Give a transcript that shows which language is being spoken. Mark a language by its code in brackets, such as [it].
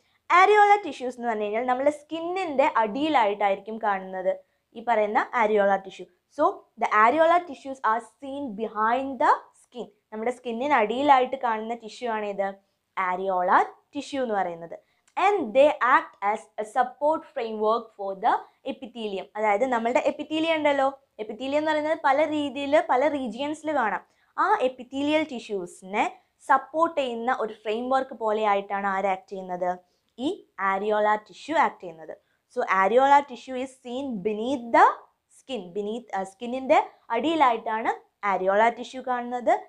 [ml] ആരിയോളാർ tissues എന്ന് പറഞ്ഞു കഴിഞ്ഞാൽ നമ്മുടെ സ്കിന്നിൻ്റെ അടിയിലായിട്ടായിരിക്കും കാണുന്നത് ഈ പറയുന്ന ആരിയോളാർ tissue. [en] So the areolar tissues are seen behind the skin. [ml] നമ്മുടെ സ്കിന്നിന് അടിയിലായിട്ട് കാണുന്ന ടിഷ്യൂ ആണ് ഇത് ആരിയോളാർ ടിഷ്യൂ എന്ന് പറയുന്നത്. [en] and they act as a support framework for the epithelium. [ml] അതായത് നമ്മുടെ എപ്പിത്തീലിയം ഉണ്ടല്ലോ, എപ്പിത്തീലിയം എന്ന് പറയുന്നത് പല രീതിയിൽ പല റീജിയൻസിൽ കാണാം. ആ എപ്പിത്തീലിയൽ ടിഷ്യൂസിനെ സപ്പോർട്ട് ചെയ്യുന്ന ഒരു ഫ്രെയിം വർക്ക് പോലെയായിട്ടാണ് ആര് ആക്ട് ചെയ്യുന്നത്, ഈ ആരിയോള ടിഷ്യു ആക്ട് ചെയ്യുന്നത്. [en] so areolar tissue is seen beneath the skin, beneath [ml] സ്കിന്നിൻ്റെ അടിയിലായിട്ടാണ് ആരിയോള ടിഷ്യു കാണുന്നത്.